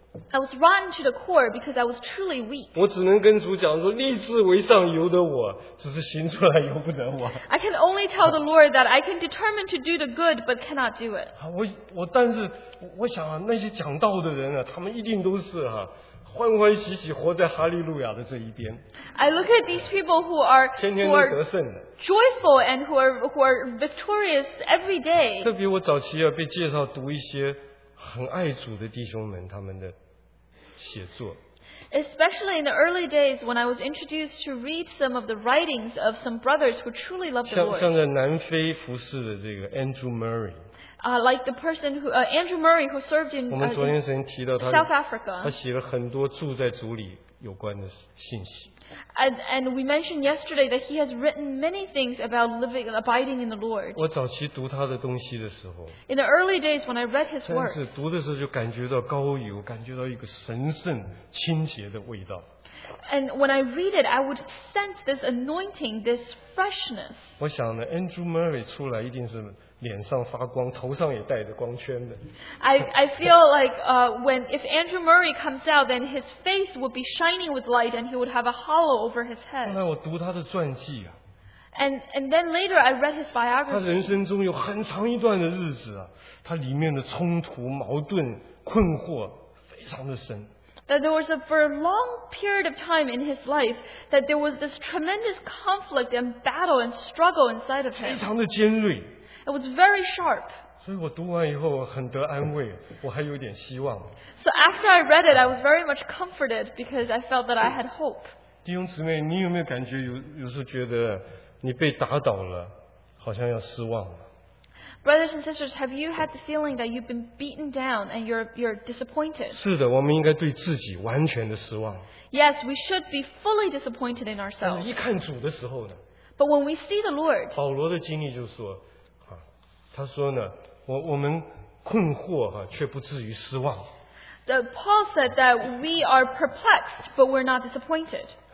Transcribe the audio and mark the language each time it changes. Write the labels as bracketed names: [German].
[English] I was rotten to the core because I was truly weak. [Chinese] 我只能跟主讲说，立志为上，由得我，只是行出来，由不得我。 [English] I can only tell the Lord that I can determine to do the good, but cannot do it. [Chinese] 我但是我想啊，那些讲道的人啊，他们一定都是啊。欢欢喜喜活在哈利路亚的这一边, [English] I look at these people who are, joyful and who are victorious every day. [Chinese] 特别我早期啊，被介绍读一些很爱主的弟兄们他们的写作。 [English] Especially in the early days when I was introduced to read some of the writings of some brothers who truly loved the Lord. [Chinese] 像在南非服侍的这个 Andrew Murray. [English] Like the person who Andrew Murray who served in, in South Africa. [Chinese] 他写了很多住在主里有关的信息。 [English] And we mentioned yesterday that he has written many things about living and abiding in the Lord. [Chinese] 我早期读他的东西的时候, [English] in the early days when I read his works, [Chinese] 读的时候就感觉到高油, 感觉到一个神圣清洁的味道。 [English] And when I read it, I would sense this anointing, this freshness. [Chinese] 我想呢, Andrew Murray 出来一定是脸上发光, 头上也带着光圈的。 [English] I feel like if Andrew Murray comes out, then his face would be shining with light and he would have a halo over his head. [Chinese] 后来我读他的传记啊, [English] and then later I read his biography. [Chinese] 他人生中有很长一段的日子啊, 他里面的冲突、矛盾、困惑非常的深。 [English] That there was a for a long period of time in his life that there was this tremendous conflict and battle and struggle inside of him. [Chinese] 非常的尖锐, [English] it was very sharp. [Chinese] 所以我读完以后很得安慰, [English] so after I read it, I was very much comforted because I felt that I had hope. [Chinese] 弟兄姊妹，你有没有感觉有时候觉得你被打倒了，好像要失望？ [English] Brothers and sisters, have you had the feeling that you've been beaten down and you're disappointed? [Chinese] 是的，我们应该对自己完全的失望。 [English] Yes, we should be fully disappointed in ourselves. [Chinese] 但是一看主的时候呢, [English] but when we see the Lord, [Chinese] 保罗的经历就是说, 他说呢, 我们困惑, 却不至于失望。 [English] Paul said that we are perplexed, but we're not disappointed.